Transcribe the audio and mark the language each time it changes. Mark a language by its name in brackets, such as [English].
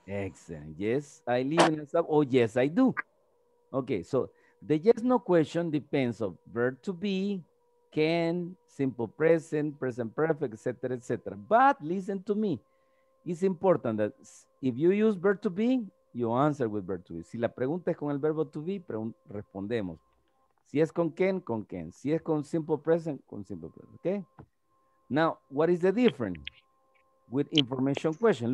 [English] Excellent. Yes, I live in El Salvador. Oh, yes, I do. Okay, so the yes, no question depends on verb to be, can, simple present, present perfect, etc., etc. But listen to me. It's important that if you use verb to be, you answer with verb to be. [Spanish] Si la pregunta es con el verbo to be, respondemos. Si es con quien. Si es con simple present, okay? [English] Now, what is the difference with information question?